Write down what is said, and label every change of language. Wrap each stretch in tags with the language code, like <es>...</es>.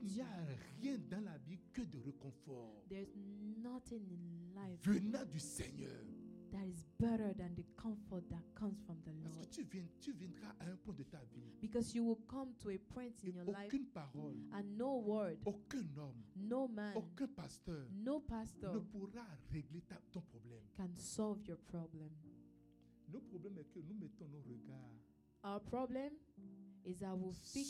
<fr>Il n'y a rien dans la vie que de réconfort.</fr> <en>There's nothing in life.</en> <fr>Venant du Seigneur.</fr> <en>That is better than the comfort that comes from the Lord.</en> <fr>Parce que tu viendras à un point de ta vie.</fr> <en>Because you will come to a point in your life.</en> <fr>Aucune parole.</fr> <en>And no word.</en> <fr>Aucun homme.</fr> <en>No man.</en> <fr>Aucun pasteur.</fr> <en>No pastor.</en> <fr>Ne pourra régler ton problème.</fr> <en>Can solve your problem.</en> <fr>Nos problèmes est que nous mettons nos regards.</fr> <en>Our problem is that we fix.</en>